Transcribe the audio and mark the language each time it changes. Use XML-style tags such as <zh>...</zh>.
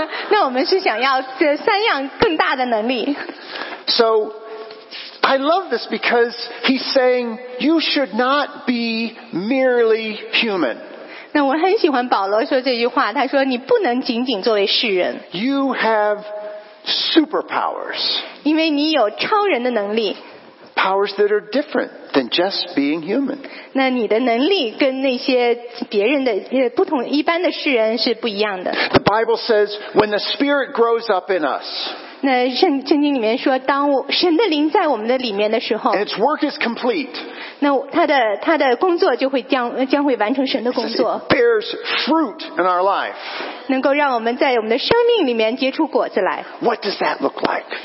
<zh>那我们是想要这三样更大的能力。</zh> <en>So, I love this because he's saying you should not be merely human.</en> <zh>那我很喜欢保罗说这句话，他说你不能仅仅作为世人。</zh> <en>You have superpowers.</en> <zh>因为你有超人的能力。</zh> <en>Powers that are different than just being human.</en> <zh>那你的能力跟那些别人的不同一般的世人是不一样的。</zh> <en>The Bible says when the Spirit grows up in us.</en> <zh>那圣经里面说，当神的灵在我们的里面的时候。</zh> <en>And its work is complete.</en> <zh>那他的工作就会将会完成神的工作。</zh> <en>It bears fruit in our life.</en> <zh>能够让我们在我们的生命里面结出果子来。</zh> <en>What does that look like?</en>